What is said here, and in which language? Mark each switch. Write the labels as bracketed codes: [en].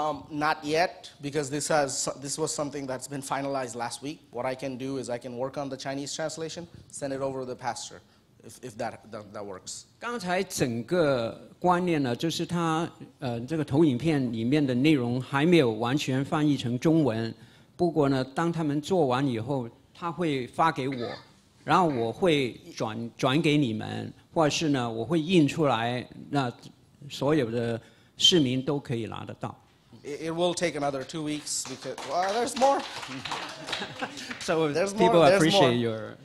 [en] Not yet, because this was something that's been finalized last week. What I can do is I can work on the Chinese translation, send it over to the pastor, if that works. [zh] 刚才整个观念呢，就是他这个投影片里面的内容还没有完全翻译成中文。不过呢，当他们做完以后，他会发给我，然后我会转给你们，或是呢，我会印出来，那所有的市民都可以拿得到。 [en] It will take another 2 weeks because there's more. So there's people more, appreciate there's more. Your.